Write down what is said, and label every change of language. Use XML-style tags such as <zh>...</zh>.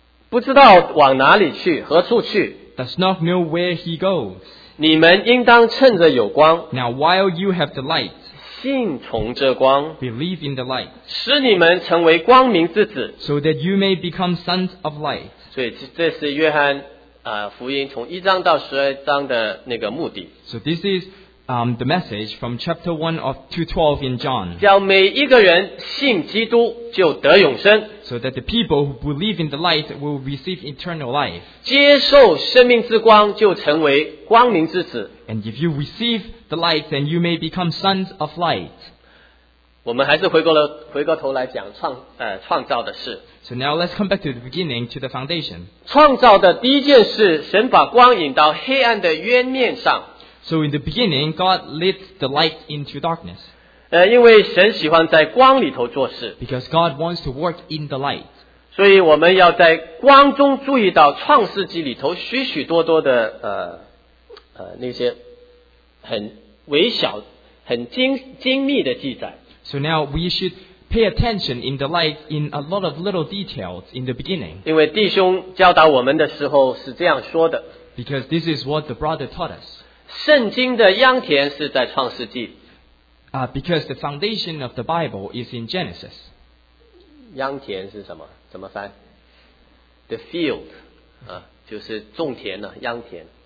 <zh>不知道往哪里去，何处去，</zh> <en>Does not know where he goes.</en> <zh>你们应当趁着有光，</zh> <en>Now while you have the light,</en> <zh>信从这光，</zh> <en>Believe in the light,</en> <zh>使你们成为光明之子。</zh> <en>So that you may become sons of light.</en> <zh>所以这是约翰福音从一章到十二章的那个目的。</zh> <en>So this is the message from chapter 1 of 2:12 in John.</en> <zh>叫每一个人信基督就得永生。</zh> <en>So that the people who believe in the light will receive eternal life.</en> <zh>接受生命之光就成为光明之子。</zh> <en>And if you receive the light, then you may become sons of light.</en> <zh>我们还是回过头来讲创造的事。</zh> <en>So now let's come back to the beginning, to the foundation.</en> <zh>创造的第一件事，神把光引到黑暗的渊面上。</zh> <en>So in the beginning, God lit the light into darkness.</en> <zh>因为神喜欢在光里头做事。</zh> <en>Because God wants to work in the light.</en> <zh>所以我们要在光中注意到创世纪里头许许多多的那些很微小、很精密的记载。</zh> <en>So now we should pay attention in the light in a lot of little details in the beginning.</en> <zh>因为弟兄教导我们的时候是这样说的。</zh> <en>Because this is what the brother taught us.</en> <zh>圣经的秧田是在创世纪。</zh> <en>Because the foundation of the Bible is in Genesis.</en> <zh>秧田是什么？怎么翻？</zh> <en>The field,</en> <zh>就是种田了，秧田。</zh>